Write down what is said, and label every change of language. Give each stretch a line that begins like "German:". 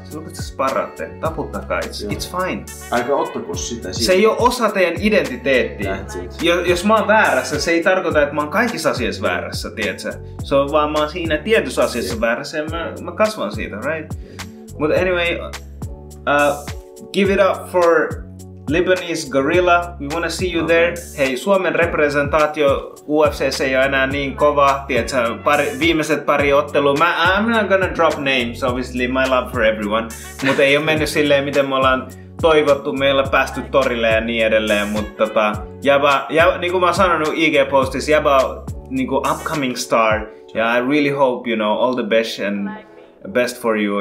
Finnish: Silloin kun sä sparraatte, taputtakaa,
English: it's fine.
Finnish: Älkää ottako sitä. Se ei ole osa teidän identiteettiä. Jos mä oon väärässä, se ei tarkoita, että mä oon kaikissa asioissa väärässä, tiedätkö? Se on vaan, mä oon siinä tietyssä asiassa väärässä ja mä kasvan siitä,
English: right?
Finnish: Mutta
English: anyway, give it up for... Lebanese Gorilla, we want to see you there.
Finnish: Hei, Suomen representaatio UFC:ssä ei ole enää niin kova. Tiedätkö, viimeiset pari ottelua.
English: I'm not gonna drop names, obviously, my love for everyone.
Finnish: Mutta ei ole mennyt silleen, miten me ollaan toivottu. Me ei ole päästy torille ja niin edelleen. Mutta niin kuin mä oon sanonut IG-postissa, Jaba niin kuin upcoming star. Ja
English: I really hope, you know, all the best and best for you.